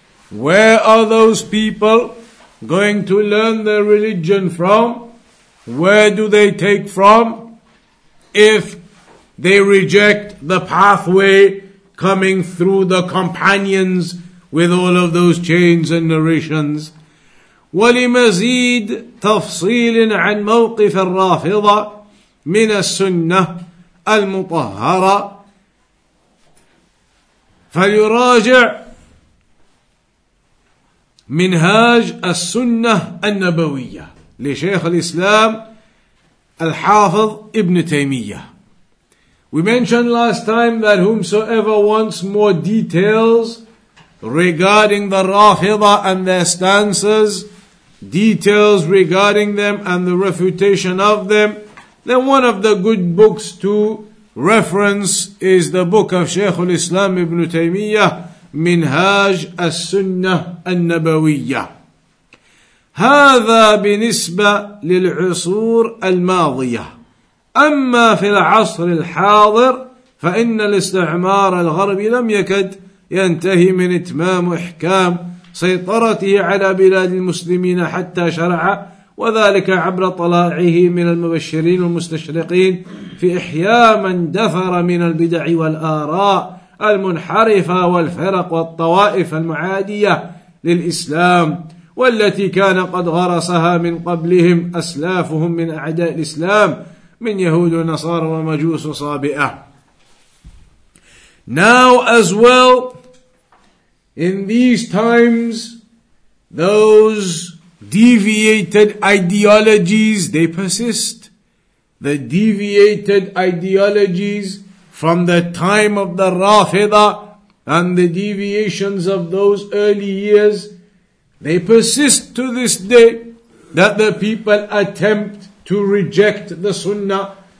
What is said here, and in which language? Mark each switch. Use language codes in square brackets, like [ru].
[en] Where are those people going to learn their religion from? Where do they take from if they reject the pathway coming through the companions with all of those chains and narrations? [ar] ولمزيد تفصيل عن موقف الرافضة من السنة المطهرة فليراجع منهاج السنة النبوية لشيخ الإسلام الحافظ ابن تيمية. [en] We mentioned last time that whomsoever wants more details regarding the Rafida and their stances, details regarding them and the refutation of them, then one of the good books to reference is the book of Shaykh al-Islam ibn Taymiyyah, Minhaj al-Sunnah al-Nabawiyyah. [ar] هذا بالنسبة للعصور الماضية. أما في العصر الحاضر فإن الاستعمار الغربي لم يكد ينتهي من إتمام إحكام سيطرته على بلاد المسلمين حتى شرع وذلك عبر طلائعه من المبشرين والمستشرقين في إحياء من دثر من البدع والآراء المنحرفة والفرق والطوائف المعادية للإسلام والتي كان قد غرسها من قبلهم أسلافهم من أعداء الإسلام من يهود ونصارى ومجوس وصابئة. [en] Now as well, in these times, those deviated ideologies, they persist. The deviated ideologies from the time of the Rafida and the deviations of those early years, they persist to this day that the people attempt to reject the Sunnah.